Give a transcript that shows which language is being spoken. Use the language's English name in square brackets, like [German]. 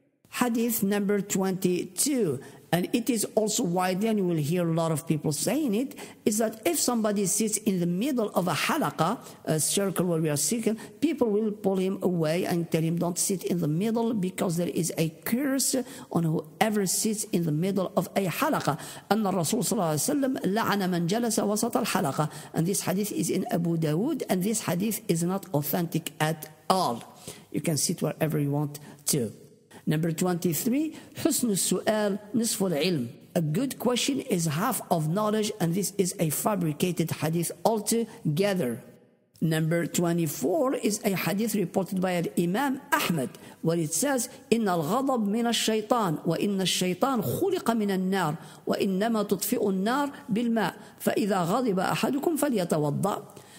[English] Hadith number 22, and it is also widely, and you will hear a lot of people saying it, is that if somebody sits in the middle of a halaqa, a circle where we are sitting, people will pull him away and tell him, don't sit in the middle, because there is a curse on whoever sits in the middle of a halaqa. And the Rasul sallallahu alayhi wa sallam, [Arabic] la'ana man jalasa wasat al-halaqa. [English] And this hadith is in Abu Dawood, and this hadith is not authentic at all. You can sit wherever you want to. Number 23, [Arabic] حسن السؤال نصف العلم. [English] A good question is half of knowledge, and this is a fabricated hadith altogether. Number 24 is a hadith reported by Imam Ahmad, where it says, [Arabic] إِنَّ الْغَضَبْ مِنَ الشَّيْطَانِ وَإِنَّ الشَّيْطَانِ خُلِقَ مِنَ النَّارِ وَإِنَّمَا تُطْفِئُ النَّارِ بِالْمَاءِ فَإِذَا غَضِبَ أَحَدُكُمْ فَلْيَتَوَضَّعُ.